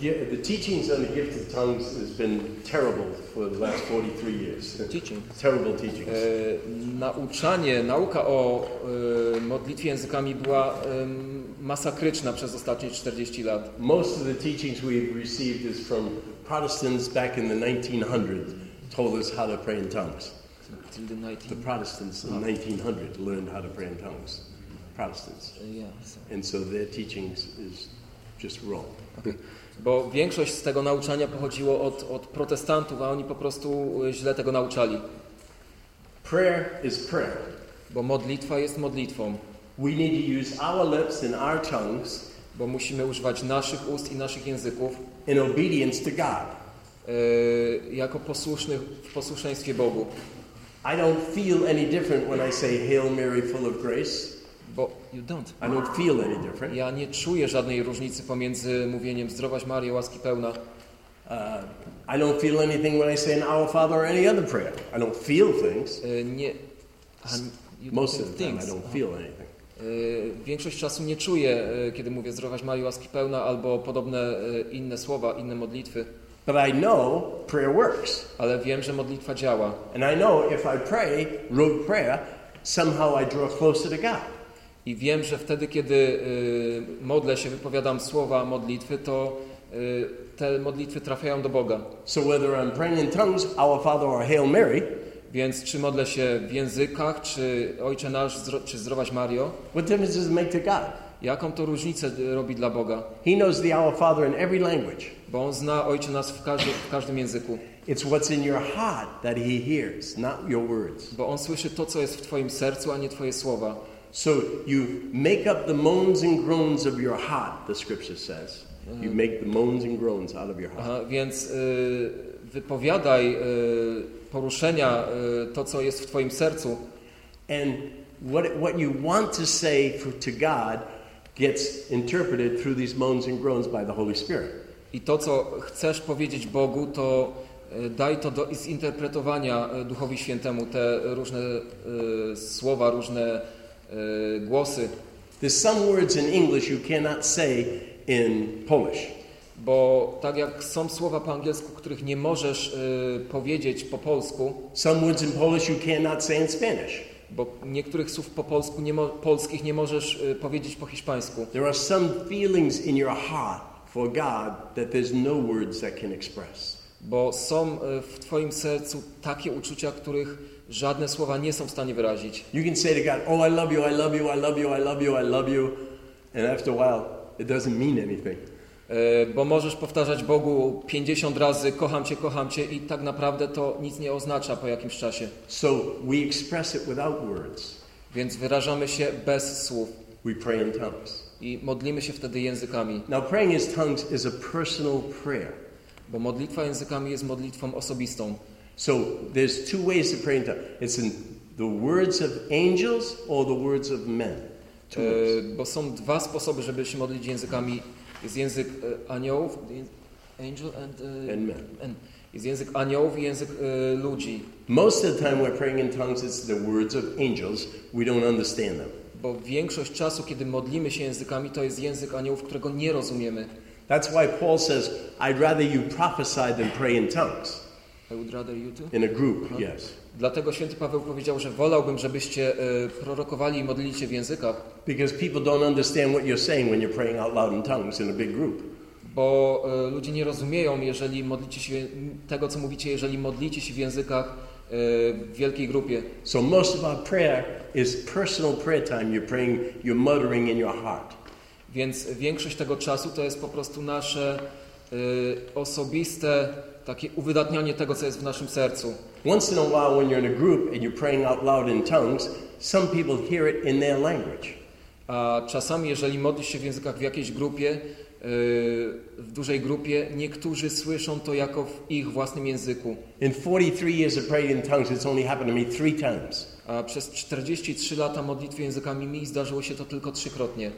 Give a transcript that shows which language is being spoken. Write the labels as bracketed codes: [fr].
[en] The teachings on the gift of tongues has been terrible for the last 43 years. Teaching. Terrible teachings. [pl] Nauczanie, nauka o modlitwie językami była masakryczna przez ostatnie 40 lat. [en] Most of the teachings we've received is from Protestants back in the 1900s told us how to pray in tongues. The Protestants in 1900 learned how to pray in tongues. Protestants. And so their teachings is just wrong. [pl] Bo większość z tego nauczania pochodziło od protestantów, a oni po prostu źle tego nauczali. [en] Prayer is prayer. [pl] Bo modlitwa jest modlitwą. [en] We need to use our lips and our tongues, [pl] bo musimy używać naszych ust i naszych języków, [en] in obedience to God. [pl] Jako posłusznych w posłuszeństwie Bogu. [en] I don't feel any different when I say Hail Mary, full of grace. Bo you don't. I don't feel any different. [pl] Ja nie czuję żadnej różnicy pomiędzy mówieniem Zdrowaś Maryjo, łaski pełna. [en] I don't feel anything when I say an Our Father or any other prayer. I don't feel things. [pl] Nie. [en] Most of the time I don't feel anything. [pl] Większość czasu nie czuję, kiedy mówię Zdrowaś Maryjo, łaski pełna albo podobne inne słowa, inne modlitwy. [en] But I know prayer works. [pl] Ale wiem, że modlitwa działa. [en] And I know if I pray rogue prayer, somehow I draw closer to God. [pl] I wiem, że wtedy, kiedy modlę się, wypowiadam słowa modlitwy, to te modlitwy trafiają do Boga. [en] So whether I'm praying in tongues, Our Father or Hail Mary, [pl] więc czy modlę się w językach, czy Ojcze Nasz, czy Zdrowaś Mario, [en] what difference does it make to God? [pl] Jaką to różnicę robi dla Boga? [en] He knows the Our Father in every language. [pl] Bo On zna Ojcze Nasz w każdym języku. [en] It's what's in your heart that He hears, not your words. [pl] Bo On słyszy to, co jest w Twoim sercu, a nie Twoje słowa. [en] So you make up the moans and groans of your heart, the scripture says. You make the moans and groans out of your heart. [pl] Więc wypowiadaj poruszenia to, co jest w twoim sercu. [en] And what you want to say to God gets interpreted through these moans and groans by the Holy Spirit. [pl] I to, co chcesz powiedzieć Bogu, to daj to do zinterpretowania Duchowi Świętemu, te różne słowa, różne głosy. [en] There's some words in English you cannot say in Polish. [pl] Bo tak jak są słowa po angielsku, których nie możesz powiedzieć po polsku. [en] Some words in Polish you cannot say in Spanish. [pl] Bo niektórych słów po polsku polskich nie możesz powiedzieć po hiszpańsku. [en] There are some feelings in your heart for God that there's no words that can express. [pl] Bo są w twoim sercu takie uczucia, których żadne słowa nie są w stanie wyrazić. [en] You can say to God, oh, I love you, I love you, I love you, I love you, I love you. And after a while, it doesn't mean anything. [pl] Bo możesz powtarzać Bogu 50 razy, kocham cię, i tak naprawdę to nic nie oznacza po jakimś czasie. [en] So we express it without words. [pl] Więc wyrażamy się bez słów. [en] We pray in tongues. [pl] I modlimy się wtedy językami. [en] Now praying in tongues is a personal prayer. [pl] Bo modlitwa językami jest modlitwą osobistą. [en] So there's two ways to pray in tongues. It's in the words of angels or the words of men. [pl] Bo są dwa sposoby, żeby się modlić językami. Jest język aniołów, [en] angel and men. [pl] And jest język aniołów i język ludzi. [en] Most of the time we're praying in tongues, it's the words of angels. We don't understand them. [pl] Bo większość czasu, kiedy modlimy się językami, to jest język aniołów, którego nie rozumiemy. [en] That's why Paul says, I'd rather you prophesy than pray in tongues. I would rather you too. In a group, yes. [pl] Dlatego Święty Paweł powiedział, że wolałbym, żebyście prorokowali i modlili się w językach. [en] Because people don't understand what you're saying when you're praying out loud in tongues in a big group. [pl] Bo ludzie nie rozumieją, jeżeli modlicie się tego, co mówicie, jeżeli modlicie się w językach w wielkiej grupie. [en] So most of our prayer is personal prayer time. You're praying, you're muttering in your heart. [pl] Więc większość tego czasu to jest po prostu nasze osobiste takie uwydatnianie tego, co jest w naszym sercu. [en] Once in a while when you're in a group and you're praying out loud in tongues, some people hear it in their language. [pl] A czasami, jeżeli modlisz się w językach w jakiejś grupie, w dużej grupie, niektórzy słyszą to jako w ich własnym języku. [en] In 43 years of praying in tongues, it's only happened to me 3 times. [pl] A przez 43 lata modlitwy językami mi zdarzyło się to tylko trzykrotnie.